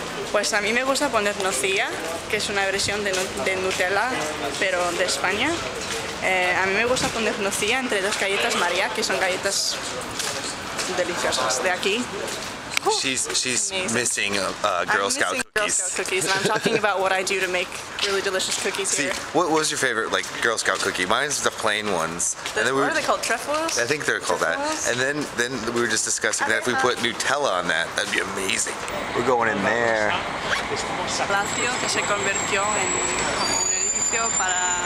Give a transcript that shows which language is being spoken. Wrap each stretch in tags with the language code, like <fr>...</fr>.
<es>Pues a mí me gusta poner nocilla, que es una versión de Nutella, pero de España. A mí me gusta poner nocilla entre dos galletas María, que son galletas deliciosas de aquí.</es> <en>She's missing Girl Scout cookies. I'm missing Girl Scout cookies, and I'm talking about what I do to make really delicious cookies. See, here. What was your favorite like Girl Scout cookie? Mine's the plain ones. Are they called truffles? I think they're called truffles? That. And then we were just discussing that if we put Nutella on that, that'd be amazing. We're going in there.</en> <es>Palacio que se convirtió en un edificio para</es>